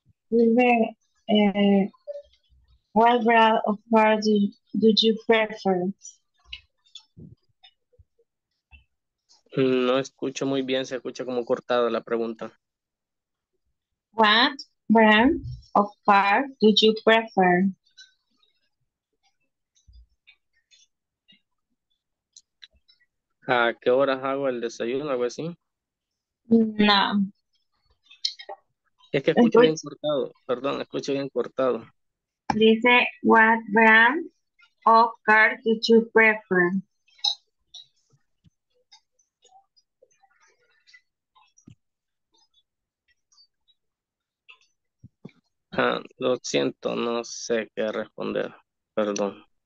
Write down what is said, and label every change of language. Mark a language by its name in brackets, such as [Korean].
[English] Wilber, what brand of car do you prefer? [Spanish] No escucho muy bien, se escucha como cortada la pregunta. [English] What brand of car do you prefer? [Spanish] ¿A qué horas hago el desayuno o algo así? No. Es que escucho bien cortado, perdón, escucho bien cortado. Dice, [English] what brand of car do you prefer? [Spanish] Lo siento, no sé qué responder, perdón.